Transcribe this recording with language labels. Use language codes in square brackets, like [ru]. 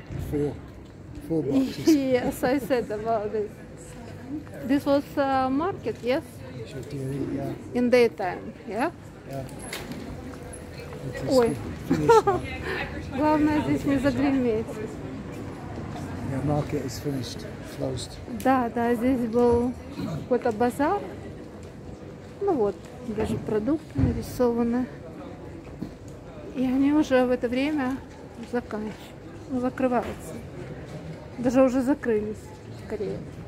[en] 4 boxes. Yes, I said about this. This was a market, yes? Yeah. In daytime, yeah? Yeah. [ru] Ой. Главное здесь не загреметь. [en] The market is finished, closed. [ru] Да, да, здесь был какой-то базар. Ну вот, даже продукты нарисованы. И они уже в это время заканчиваются, закрываются. Даже уже закрылись, скорее.